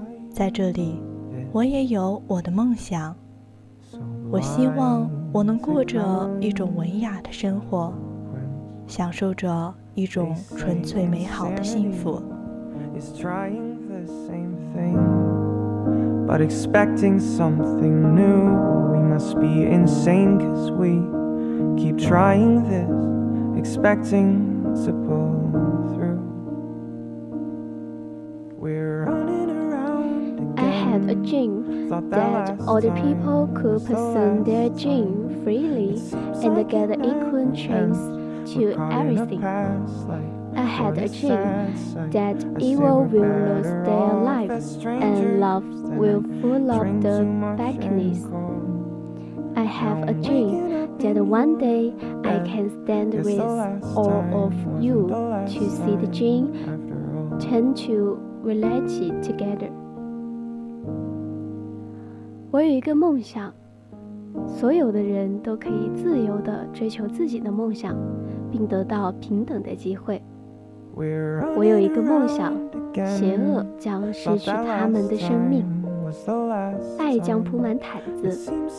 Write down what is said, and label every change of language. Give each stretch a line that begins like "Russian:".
Chinese: 在这里我也有我的梦想，我希望我能过着一种文雅的生活，享受着一种纯粹美好的幸福。
English: Is trying the same thing, but expecting something new. We must be insane, cause we keep trying this, expecting to pull through. We're running around again. I had a dream that all the people could pursue their dream freely and get an equal chance to everything. I had a dream that evil will lose their life and love will full of the blackness. I have a dream that one day I can stand with all of you to see the dream turn to reality together.
Chinese: 我有一个梦想，所有的人都可以自由地追求自己的梦想，并得到平等的机会。我有一个梦想，邪恶将失去他们的生命，爱将铺满毯子。